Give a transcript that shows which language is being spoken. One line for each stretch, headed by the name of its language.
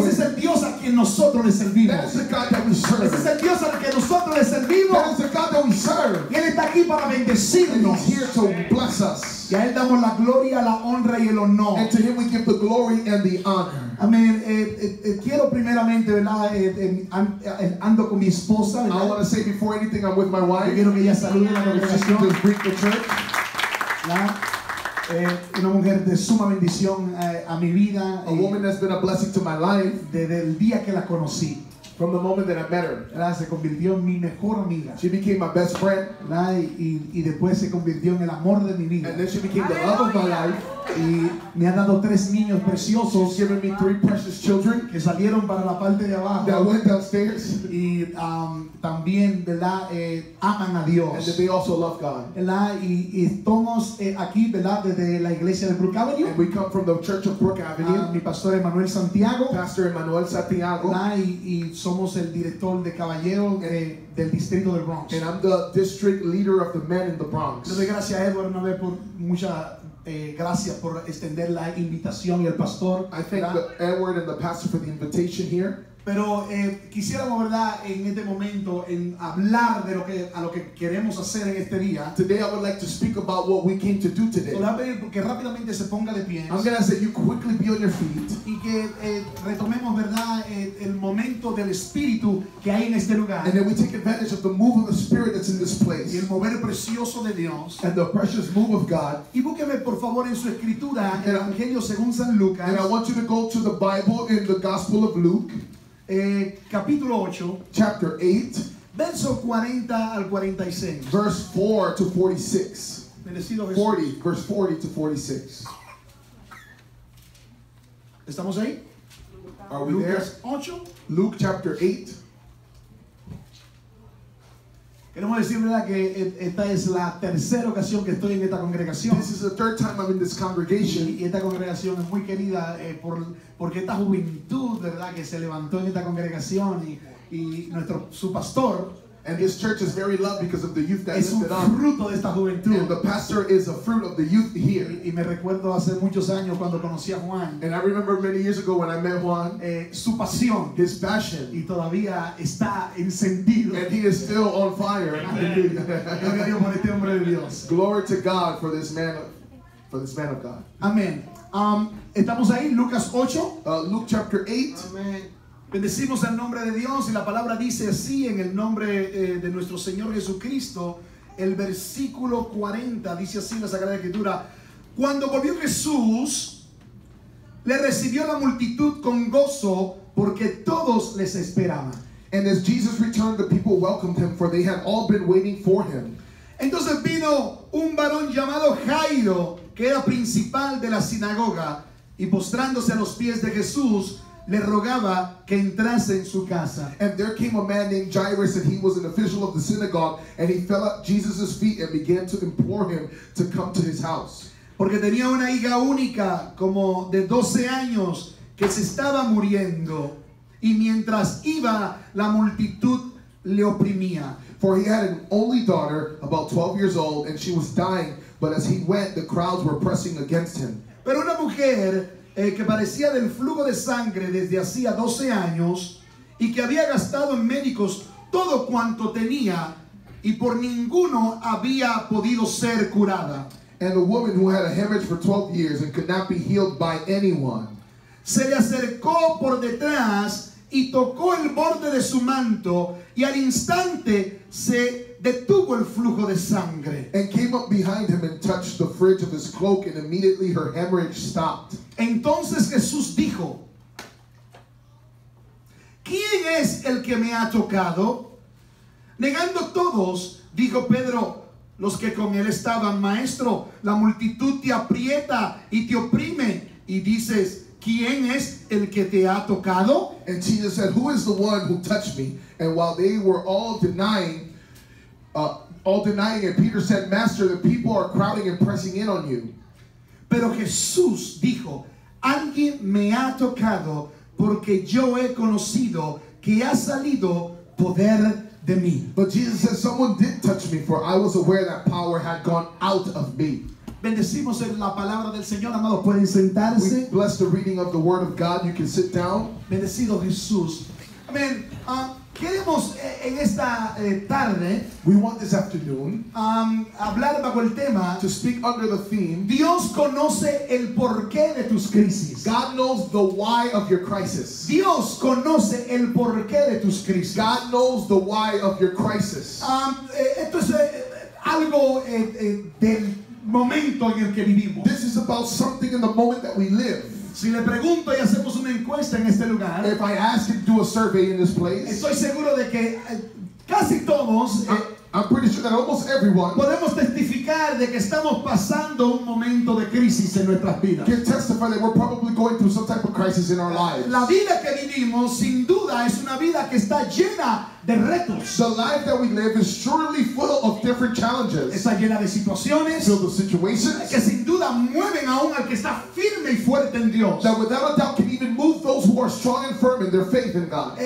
Spanish: Ese es el Dios a quien nosotros le servimos.
English: That is the God that we serve.
Spanish: Ese es el Dios al que nosotros le servimos.
English: That is the God that we serve.
Spanish: Y él está aquí para bendecirnos.
English: And he's here to bless us.
Spanish: Y a él damos la gloria, la honra y el honor.
English: And to him we give the glory and the honor.
Spanish: Amén. Quiero primeramente, ¿verdad? Ando con mi esposa.
English: I want to say before anything, I'm with my wife.
Spanish: Quiero que ella salude la congregación.
English: To greet the church.
Spanish: Una mujer de suma bendición a mi vida.
English: A woman that's been a blessing to my life.
Spanish: Desde el día que la conocí.
English: From the moment that I met her.
Spanish: ¿Verdad? Se convirtió en mi mejor amiga.
English: She became my best friend.
Spanish: Y después se convirtió en el amor de mi vida.
English: And then she became the love of my life.
Spanish: Y me ha dado tres niños preciosos.
English: She's given me three precious children.
Spanish: Que salieron para la parte de abajo.
English: That went downstairs.
Spanish: Y también, ¿verdad? Aman a Dios.
English: And they also love God.
Spanish: Y estamos aquí, ¿verdad? Desde la iglesia de Brook Avenue.
English: And we come from the church of Brook Avenue.
Spanish: Mi pastor Emmanuel Santiago.
English: Pastor Emmanuel Santiago.
Spanish: Y somos el director de caballero del distrito del Bronx.
English: And I'm the district leader of the men in the Bronx.
Spanish: Le doy gracias a Edward una vez por mucha... gracias por extender la invitación y el pastor.
English: I thank Edward and the pastor for the invitation here.
Spanish: Pero quisiéramos, ¿verdad?, en este momento en hablar de lo que queremos hacer en este día.
English: Today I would like to speak about what we came to do today.
Spanish: Que rápidamente se ponga de pie.
English: I'm going to say you quickly be on your feet.
Spanish: Y que retomemos, ¿verdad?, el momento del espíritu que hay en este lugar.
English: And then we take advantage of the move of the spirit that's in this place.
Spanish: Y el mover precioso de Dios.
English: And the precious move of God.
Spanish: Y búsqueme por favor en su escritura el Evangelio según San Lucas.
English: And I want you to go to the Bible in the Gospel of Luke.
Spanish: Capítulo 8,
English: chapter 8,
Spanish: verso 40 al 46.
English: Verse 4 to 46.
Spanish: Bendecido Jesús.
English: 40, verse 40 to 46.
Spanish: ¿Estamos ahí?
English: Are we there?
Spanish: Lucas 8.
English: Luke chapter 8.
Spanish: Queremos decir, ¿verdad?, que esta es la tercera ocasión que estoy en esta congregación.
English: This is the third time I'm in this congregation.
Spanish: Y esta congregación es muy querida porque esta juventud, ¿verdad?, que se levantó en esta congregación y su pastor.
English: And this church is very loved because of the youth that is lifted up.
Spanish: Es fruto de esta juventud.
English: And the pastor is a fruit of the youth here.
Spanish: Y me recuerdo hace muchos años cuando conocí a Juan.
English: And I remember many years ago when I met Juan.
Spanish: Su pasión.
English: His passion.
Spanish: Y todavía está encendido.
English: And he is still on fire.
Spanish: Gloria a Dios por este hombre de Dios.
English: Glory to God for this man, for this man of God.
Spanish: Amen. Estamos ahí, Lucas 8.
English: Luke chapter 8.
Spanish: Amen. Bendecimos el nombre de Dios y la palabra dice así en el nombre de nuestro Señor Jesucristo. El versículo 40 dice así en la Sagrada Escritura. Cuando volvió Jesús, le recibió la multitud con gozo porque todos les esperaban.
English: And as Jesus returned, the people welcomed him, for they had all been waiting for him.
Spanish: Entonces vino un varón llamado Jairo, que era principal de la sinagoga, y postrándose a los pies de Jesús, le rogaba que entrase en su casa.
English: And there came a man named Jairus, and he was an official of the synagogue, and he fell at Jesus' feet and began to implore him to come to his house.
Spanish: Porque tenía una hija única, como de 12 años, que se estaba muriendo, y mientras iba, la multitud le oprimía.
English: For he had an only daughter, about 12 years old, and she was dying, but as he went, the crowds were pressing against him.
Spanish: Pero una mujer que parecía del flujo de sangre desde hacía 12 años y que había gastado en médicos todo cuanto tenía y por ninguno había podido ser curada.
English: And a woman who had a hemorrhage for 12 years and could not be healed by anyone.
Spanish: Se le acercó por detrás y tocó el borde de su manto y al instante se detuvo el flujo de sangre.
English: And came up behind him and touched the fringe of his cloak and immediately her hemorrhage stopped.
Spanish: Entonces Jesús dijo, ¿quién es el que me ha tocado? Negando todos, dijo Pedro, los que con él estaban, maestro, la multitud te aprieta y te oprime. Y dices, ¿quién es el que te ha tocado?
English: And Jesus said, who is the one who touched me? And while they were all denying it, Peter said, master, the people are crowding and pressing in on you.
Spanish: Pero Jesús dijo, alguien me ha tocado porque yo he conocido que ha salido poder de mí.
English: But Jesus said, someone did touch me, for I was aware that power had gone out of me.
Spanish: Bendecimos en la palabra del Señor, amado. Pueden sentarse.
English: We bless the reading of the word of God. You can sit down.
Spanish: Bendecido Jesús. Amén. Queremos en esta tarde,
English: we want this afternoon,
Spanish: hablar bajo el tema,
English: to speak under the theme,
Spanish: Dios conoce el porqué de tus crisis.
English: God knows the why of your crisis.
Spanish: Dios conoce el porqué de tus crisis.
English: God knows the why of your crisis.
Spanish: Esto es algo del momento en el que vivimos.
English: This is about something in the moment that we live.
Spanish: Si le pregunto y hacemos una encuesta en este lugar,
English: if I ask him to do a survey in this place,
Spanish: estoy seguro de que casi todos,
English: I'm pretty sure that almost everyone,
Spanish: podemos testificar de que estamos pasando un momento de crisis en nuestras vidas.
English: Can testify that we're probably going through some type of crisis in our lives.
Spanish: La vida que vivimos, sin duda, es una vida que está llena de retos.
English: The life that we live is surely full of different challenges.
Spanish: Está llena de situaciones,
English: filled with situations,
Spanish: que sin duda mueven aún al que está firme y fuerte en Dios.
English: That without a doubt can even move those who are strong and firm in their faith in God.